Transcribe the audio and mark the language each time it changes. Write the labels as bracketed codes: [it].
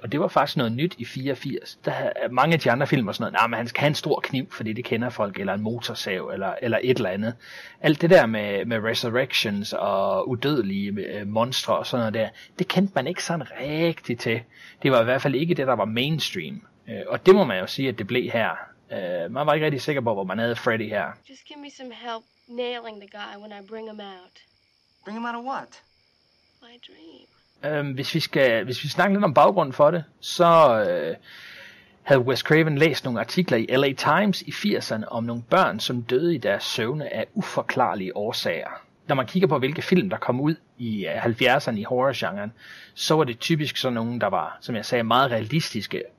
[da] Og det var faktisk noget nyt i 84. Der er mange af de andre filmer sådan noget, men han skal have en stor kniv, fordi det kender folk, eller en motorsav, eller, eller et eller andet. Alt det der med, med Resurrections og udødelige monstre og sådan noget der, det kendte man ikke sådan rigtigt til. Det var i hvert fald ikke det, der var mainstream. Og det må man jo sige, at det blev her. Man var ikke rigtig sikker på, hvor man havde Freddy her. [en] Just give me some help nailing the guy when I bring him out. Bring him out of what? My dream. [da] Hvis vi snakker lidt om baggrunden for det, så havde Wes Craven læst nogle artikler i LA Times i 80'erne om nogle børn, som døde i deres søvne af uforklarlige årsager. Når man kigger på, hvilke film, der kom ud i 70'erne i horrorgenren, så var det typisk sådan nogle, der var, som jeg sagde, meget realistiske.